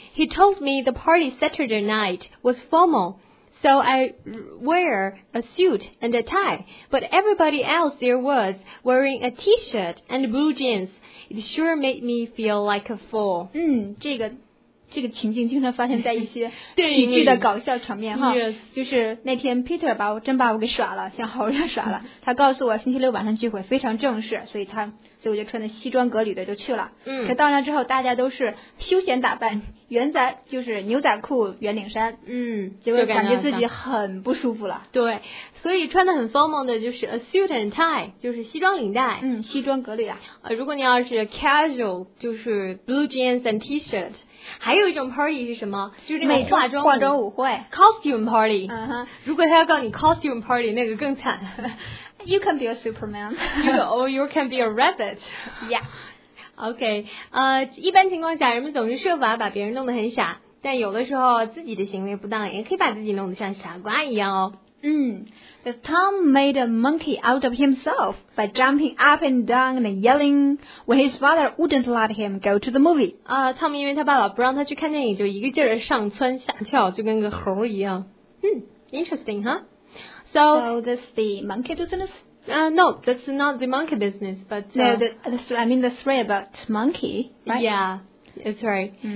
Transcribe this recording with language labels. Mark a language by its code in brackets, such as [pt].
[en] He told me the party Saturday night was formal. So I wear a suit and a tie, but everybody else there was wearing a t-shirt and blue jeans. It sure made me feel like a fool. [zh] 这个情景经常发现在一些喜剧的搞笑场面哈。就是那天 Peter 把我给耍了，像猴一样耍了。他告诉我星期六晚上聚会非常正式，所以我就穿着西装革履的就去了。可到那之后大家都是休闲打扮，就是牛仔裤圆领衫。结果感觉自己很不舒服了。对，所以穿得很 formal 的就是 [en] a suit and tie, [zh] 就是西装领带。西装革履啊。如果你要是 casual, 就是 [en] blue jeans and t-shirt, [zh] 还有一种 party 是什么？就是那种化妆舞会 [en] costume party。嗯哼， [zh] 如果他要告你 costume party， 那个更惨。 [en] You can be a Superman. You can be a rabbit. Yeah. [zh] OK， 一般情况下，人们总是设法把别人弄得很傻，但有的时候自己的行为不当，也可以把自己弄得像傻瓜一样哦。 [en] Tom made a monkey out of himself by jumping up and down and yelling when his father wouldn't let him go to the movie. [zh] Tom 因为他爸爸不让他去看电影，就一个劲儿上蹿下跳，就跟个猴一样。 [en] Interesting, huh? So that's the monkey business? No, that's not the monkey business. But, the story about monkey, right? Yeah, that's right.